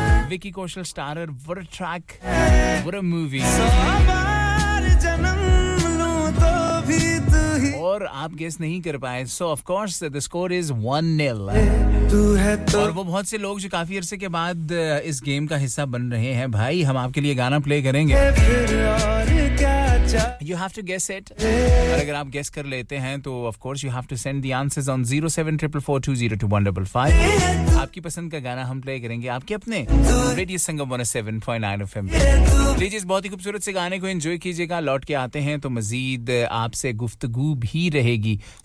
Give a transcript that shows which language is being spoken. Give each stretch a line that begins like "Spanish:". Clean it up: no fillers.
Hindi: Vicky Kaushal
English: starrer what a track what a movie
Hindi: और आप guess नहीं कर पाए
English: so of course the score is 1-0
Hindi: और वो बहुत से लोग जो काफी अरसे के बाद इस गेम का हिस्सा बन रहे हैं भाई हम आपके लिए गाना प्ले करेंगे
English: You have to guess it.
Hindi: और अगर आप guess कर लेते हैं, तो
English: of course you have to send the answers on 07444202155.
Hindi: आपकी पसंद का गाना हम play करेंगे. आपके अपने Radio Sangam 107.9 FM. लीजिए इस बहुत ही खूबसूरत से गाने को enjoy कीजिएगा. लौट के आते हैं, तो मज़ीद आपसे गुफ्तगू भी रहेगी.